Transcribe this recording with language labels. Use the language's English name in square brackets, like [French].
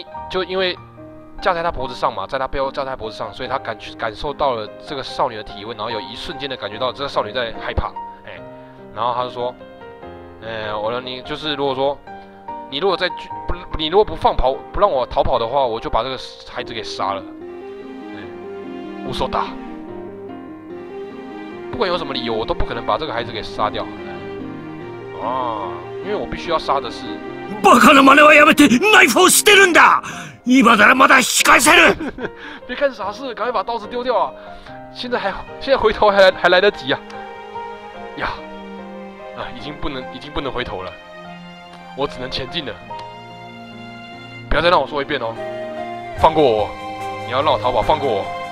[Chinese] 就因为架在他脖子上嘛，在他背后架在他脖子上，所以他感受到了这个少女的体温，然后有一瞬间的感觉到这个少女在害怕，然后他就说，我让你就是如果说你如果在不你如果不放跑不让我逃跑的话，我就把这个孩子给杀了，无所打，不管有什么理由，我都不可能把这个孩子给杀掉，因为我必须要杀的是。 [Japanese] バカな真似はやめて、ナイフを捨てるんだ。今ならまだ引き返せる。 [Chinese] 别干傻事，赶快把刀子丢掉啊！现在回头还来得及啊！呀，啊，已经不能回头了，我只能前进了。不要再让我说一遍哦，放过我，你要让我逃跑，放过我。